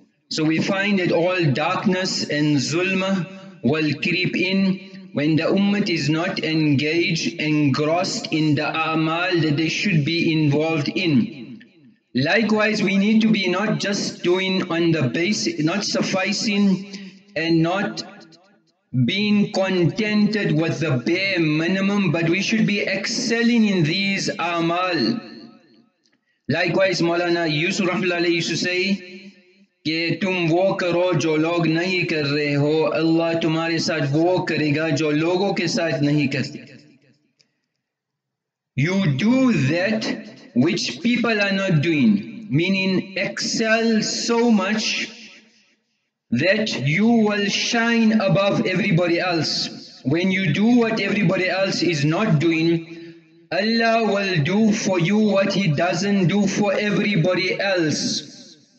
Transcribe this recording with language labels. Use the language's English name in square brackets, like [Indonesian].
[English] So we find that all darkness and zulma will creep in when the ummah is not engaged, engrossed in the amal that they should be involved in. Likewise, we need to be not just doing on the basis, not sufficing and not being contented with the bare minimum, but we should be excelling in these amal. Likewise, Maulana Yusuf Rahmatullahi used to say, [Urdu] کہ تم وہ کرو جو لوگ نہیں کر رہے ہو اللہ تمہارے ساتھ وہ کرے گا جو لوگوں کے ساتھ نہیں کرتے. [English] You do that which people are not doing, meaning excel so much that you will shine above everybody else. When you do what everybody else is not doing, Allah will do for you what He doesn't do for everybody else.